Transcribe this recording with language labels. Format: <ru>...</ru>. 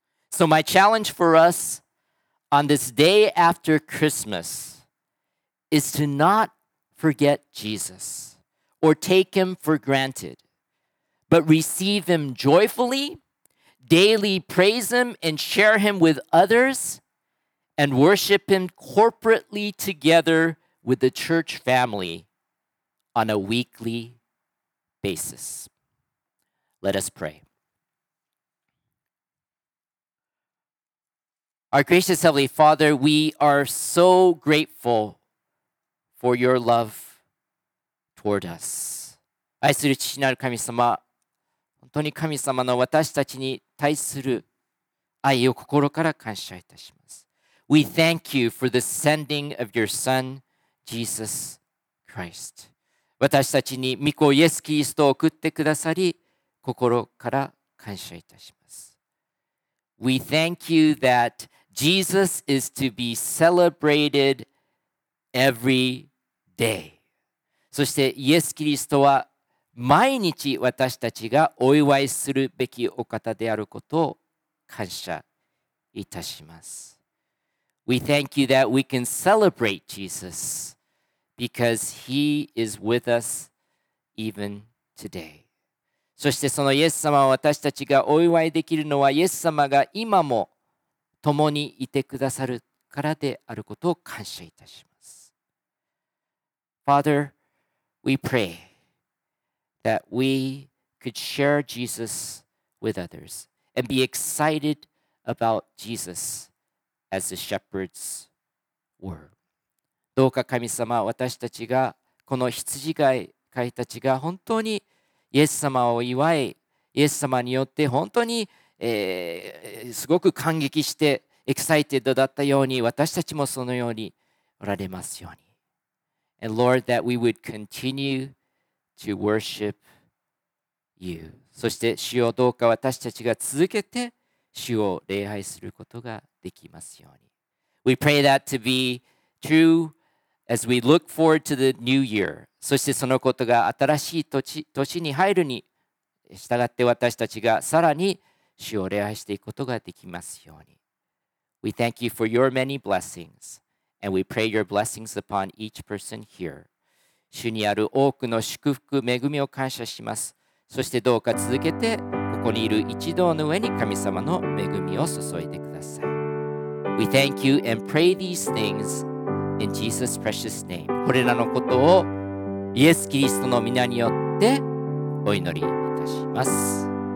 <en>So my challenge for us on this day after Christmas is to not forget Jesus or take Him for granted, but receive Him joyfully, daily praise Him and share Him with others,and worship Him corporately together with the church family on a weekly basis. Let us pray. Our gracious Heavenly Father, we are so grateful for Your love toward us.</en> <ja>愛する父なる神様、本当に神様の私たちに対する愛を心から感謝いたします。</ja> <en>We thank you for the sending of your Son, Jesus Christ.</en> <ja>私たちに御子イエス・キリストを送ってくださり、心から感謝いたします。</ja> <en>We thank you that Jesus is to be celebrated every day.</en> <ja>そしてイエス・キリストは毎日私たちがお祝いするべきお方であることを感謝いたします。</ja> <en>We thank you that we can celebrate Jesus because he is with us even today.</en> <ja>そしてそのイエス様を私たちがお祝いできるのはイエス様が今も共にいてくださるからであることを感謝いたします。</ja> <en>Father, we pray that we could share Jesus with others and be excited about Jesus. As the shepherds were.</en> <ja>どうか神様、私たちがこの羊飼い飼いたちが本当にイエス様を祝い、イエス様によって本当に、すごく感激してエキサイテッドだったように、私たちもそのようにおられますように。</ja> <en>And Lord, that we would continue to worship you.</en> <ja>そして主よ、どうか私たちが続けて主を礼拝することができますように。</ja> <en>We pray that to be true as we look forward to the new year.</en> <ja>そしてそのことが新しい年に入るに従って私たちがさらに主を礼拝していくことができますように。</ja> <en>We thank you for your many blessings and we pray your blessings upon each person here.</en> <ja>主にある多くの祝福、恵みを感謝します。そしてどうか続けてここにいる一同の上に神様の恵みを注いでください。</ja> <en>We thank you and pray these things in Jesus' precious name.</en> <ja>これらのことをイエス・キリストの御名によってお祈りいたします。</ja>